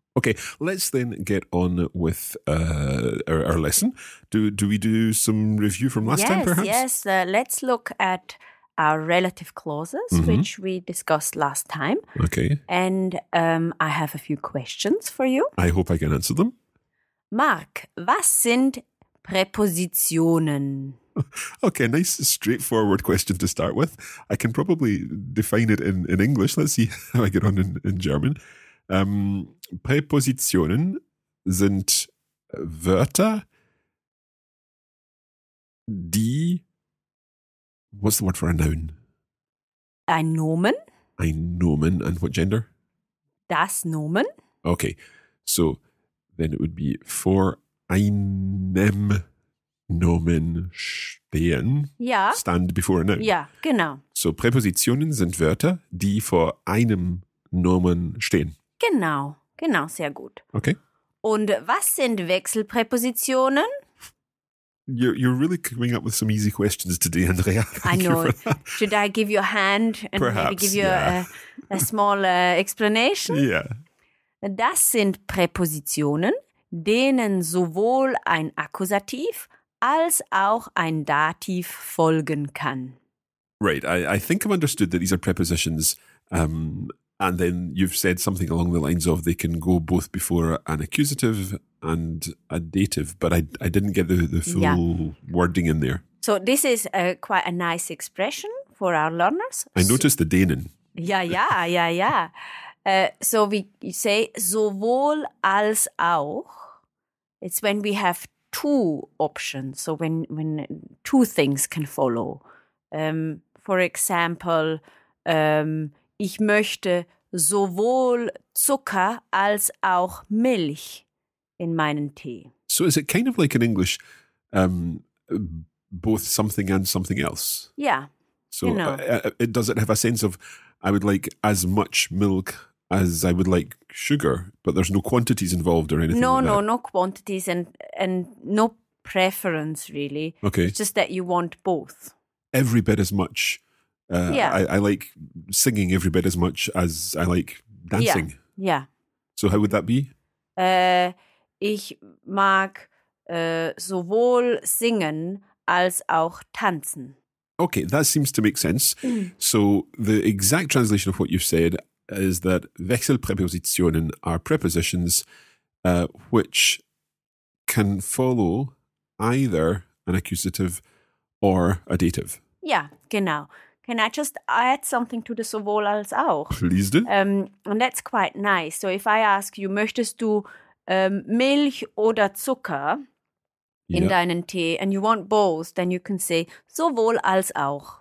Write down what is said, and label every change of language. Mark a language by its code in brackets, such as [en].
[en] Okay, let's then get on with our lesson. Do we do some review from last time, perhaps? Yes, let's look at our relative clauses, mm-hmm. which we discussed last time. Okay. And I have a few questions for you. I hope I can answer them. [de] Mark, was sind Präpositionen? [en] Okay, nice straightforward question to start with. I can probably define it in English. Let's see how I get on in German. [de] Präpositionen sind Wörter, die... [en] What's the word for a noun? [de] Ein Nomen. Ein Nomen. [en] And what gender? [de] Das Nomen. [en] Okay, so then it would be for [de] einem Nomen stehen. Ja. [en] Stand before a noun. [de] Ja, genau. So Präpositionen sind Wörter, die vor einem Nomen stehen. Genau, genau, sehr gut. [en] Okay. [de] Und was sind Wechselpräpositionen? [en] You're really coming up with some easy questions today, Andrea. I know. Should I give you a hand and perhaps, maybe give you yeah. a small explanation? Yeah. [de] Das sind Präpositionen, denen sowohl ein Akkusativ als auch ein Dativ folgen kann. [en] Right. I think I've understood that these are prepositions. And then you've said something along the lines of they can go both before an accusative and a dative. But I didn't get the full wording in there. So this is quite a nice expression for our learners. I noticed the denen. Yeah. So we say [de] sowohl als auch. [en] It's when we have two options. So when two things can follow. For example, ich möchte sowohl Zucker als auch Milch in meinen Tee. So is it kind of like in English, both something and something else? Yeah. So does it have a sense of I would like as much milk as I would like sugar, but there's no quantities involved or anything no, like no, that? No quantities and no preference, really. Okay. It's just that you want both. Every bit as much. Yeah. I like singing every bit as much as I like dancing. Yeah. So how would that be? [de] Ich mag sowohl singen als auch tanzen. [en] Okay, that seems to make sense. So the exact translation of what you've said is that Wechselpräpositionen are prepositions which can follow either an accusative or a dative. [de] Yeah, genau. [en] Can I just add something to the [de] sowohl als auch? [en] Please do. And that's quite nice. So if I ask you, [de] möchtest du Milch oder Zucker in deinen Tee [en] and you want both, then you can say [de] sowohl als auch.